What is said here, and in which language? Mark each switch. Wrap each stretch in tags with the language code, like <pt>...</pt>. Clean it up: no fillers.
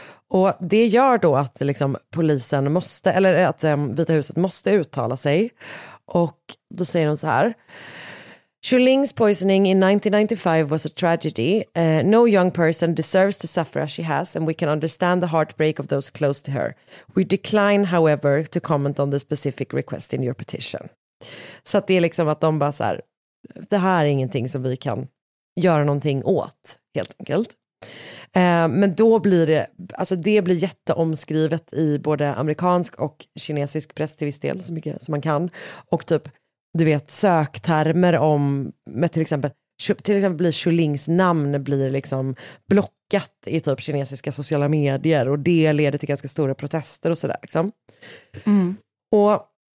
<sv>Och det gör då att liksom polisen måste, eller att Vita huset måste uttala sig, och då säger de så här:</sv> <en>Xu Ling's poisoning in 1995 was a tragedy. No young person deserves to suffer as she has, and we can understand the heartbreak of those close to her. We decline, however, to comment on the specific request in your petition.</en> <sv>Så att det är liksom att de bara så här, det här är ingenting som vi kan göra någonting åt, helt enkelt. Men då blir det, alltså det blir jätteomskrivet i både amerikansk och kinesisk press till viss del, så mycket som man kan, och typ du vet, söktermer om, med till exempel blir Xu Lings namn blir liksom blockat i typ kinesiska sociala medier, och det leder till ganska stora protester och sådär liksom. Och</sv>